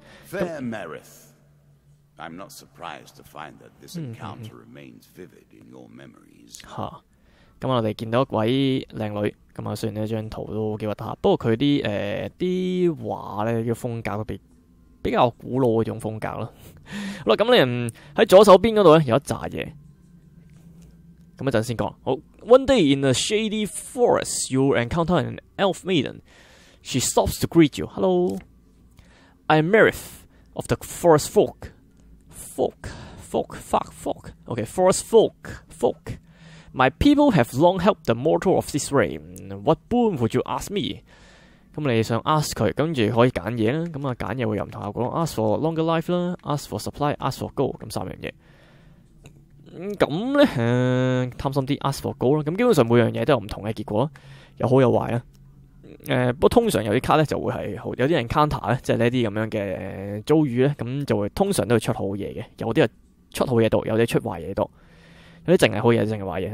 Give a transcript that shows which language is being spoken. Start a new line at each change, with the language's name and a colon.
English: Fair Merith， I'm not surprised to find that this encounter remains vivid in your memories。
Cantonese: 吓，咁我哋见到一位靓女，咁啊虽然呢张图都几核突，不过佢啲啲画咧嘅风格特别。比较古老嘅一种风格咯。好啦，咁咧喺左手边嗰度咧有一扎嘢，咁一阵先讲。
English: 好 ，One day in a shady forest, you encounter an elf maiden. She stops to greet you. Hello, I'm Merith of the forest folk. Folk. Okay, forest folk. Folk. My people have long helped the mortal of this realm. What boon would you ask me?
Cantonese: 咁你想 ask 佢，跟住可以揀嘢啦。咁啊，揀嘢会有唔同效果。
English: ask for longer life 啦 ，ask for supply，ask for gold，
Cantonese: 咁三样嘢。咁咧，贪心啲 ，
English: ask for gold
Cantonese: 啦。咁基本上每样嘢都有唔同嘅结果，有好有坏啦。不过通常有啲卡咧就会系好，有啲人 counter 咧，即系呢啲咁样嘅遭遇咧，咁就会通常都会出好嘢嘅，有啲系出好嘢多，有啲出坏嘢多，有啲净系好嘢，净系坏嘢。